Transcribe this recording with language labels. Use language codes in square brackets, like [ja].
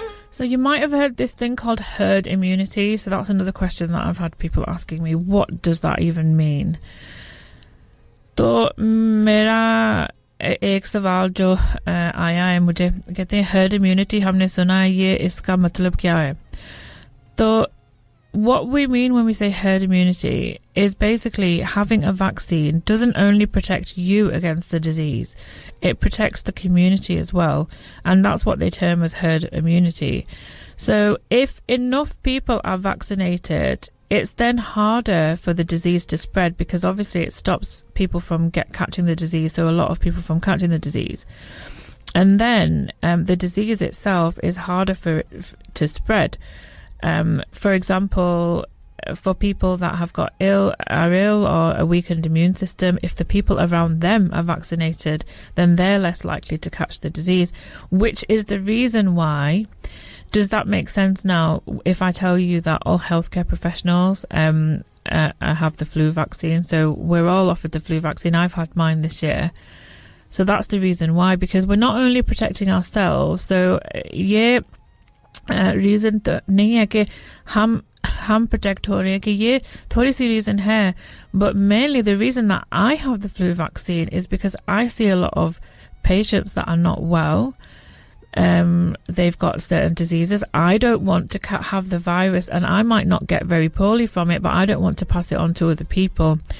[en] So you might have heard this thing called herd immunity. So that's another question that I've had people asking me. What does that even mean? [hi] तो मेरा एक सवाल जो आया है मुझे कहते हैं herd immunity हमने सुना है ये इसका मतलब क्या है? [en] तो what we mean when we say herd immunity is basically having a vaccine doesn't only protect you against the disease, it protects the community as well. And that's what they term as herd immunity. So if enough people are vaccinated, it's then harder for the disease to spread because obviously it stops people from catching the disease. So a lot of people from catching the disease. And then the disease itself is harder for it to spread. For example, for people that have got are ill or a weakened immune system, if the people around them are vaccinated, then they're less likely to catch the disease, which is the reason why. Does that make sense now? If I tell you that all healthcare professionals have the flu vaccine, so we're all offered the flu vaccine. I've had mine this year. So that's the reason why, because we're not only protecting ourselves. So yeah, [hi] reason तो नहीं है कि हम protect हो रहे हैं कि ये थोड़ी सी रीजन है [en] But mainly the reason that I have the flu vaccine is because I see a lot of patients that are not well they've got certain diseases. I don't want to have the virus and I might not get very poorly from it, but I don't want to pass it on to other people.